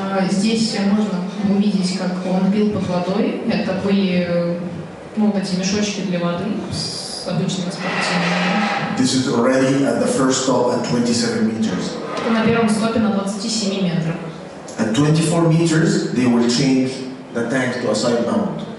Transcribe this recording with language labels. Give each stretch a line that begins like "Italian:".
Russian: Здесь можно увидеть, как он пил под водой. Это были вот эти мешочки для воды с обычными спортивными.
English: This is already at the first stop at 27 meters.
Russian: Это на первом стопе на 27 метрах.
English: At 24 meters, they will change the tank to a side mount.